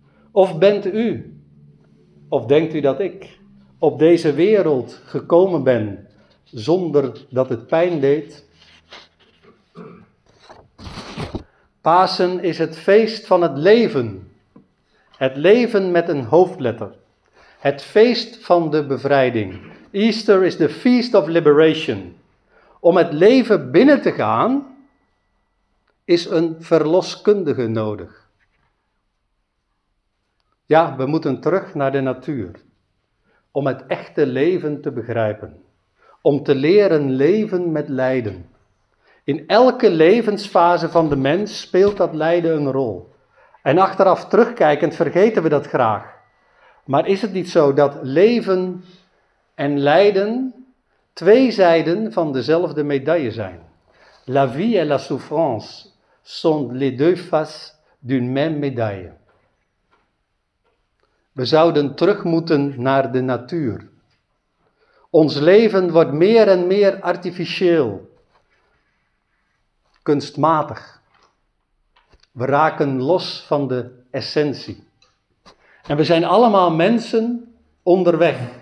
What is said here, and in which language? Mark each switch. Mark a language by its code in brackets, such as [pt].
[nl] Of bent u, of denkt u dat ik, op deze wereld gekomen ben zonder dat het pijn deed? Pasen is het feest van het leven. Het leven met een hoofdletter. Het feest van de bevrijding. [en] Easter is the feast of liberation. [nl] Om het leven binnen te gaan is een verloskundige nodig. Ja, we moeten terug naar de natuur om het echte leven te begrijpen, om te leren leven met lijden. In elke levensfase van de mens speelt dat lijden een rol. En achteraf terugkijkend vergeten we dat graag. Maar is het niet zo dat leven en lijden twee zijden van dezelfde medaille zijn? [fr] La vie et la souffrance sont les deux faces d'une même médaille. [nl] We zouden terug moeten naar de natuur. Ons leven wordt meer en meer artificieel, kunstmatig. We raken los van de essentie. En we zijn allemaal mensen onderweg.